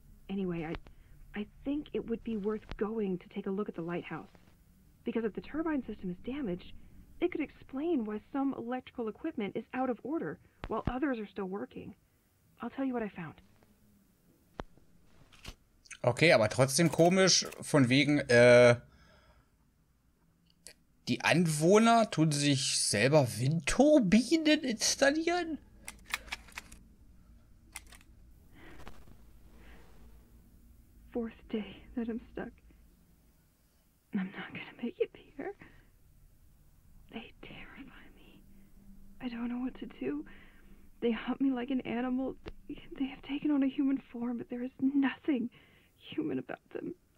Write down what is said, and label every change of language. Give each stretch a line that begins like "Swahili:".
English: Anyway, I think it would be worth going to take a look at the lighthouse. Because if the turbine system is damaged, it could explain why some electrical equipment is out of order while others are still working. I'll tell you what I found.
German: Okay, aber trotzdem komisch, von wegen, die Anwohner tun sich selber Windturbinen installieren?
English: Fourth day that I'm stuck. I'm not gonna make it, Peter. They terrify me. I don't know what to do. They hunt me like an animal. They have taken on a human form, but there is nothing human about them.